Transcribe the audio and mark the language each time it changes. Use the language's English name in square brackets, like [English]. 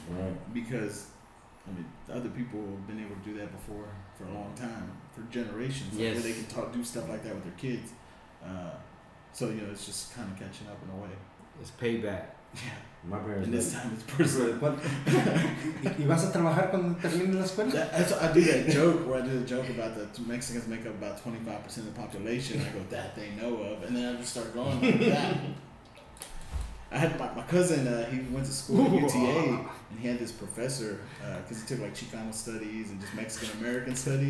[English] right? Because I mean, other people have been able to do that before for a long time, for generations. Yes, like, where they can do stuff like that with their kids. So you know, it's just kind of catching up in a way. It's payback. Yeah, my parents. And this time it's personal. [Spanish] ¿Y vas a trabajar cuando termine la escuela? [English] I do that joke where I do the joke about the Mexicans make up about 25% of the population. I go, that they know of, and then I just start going like that. I had my cousin. He went to school at UTA, and he had this professor because he took like Chicano studies and just Mexican American studies.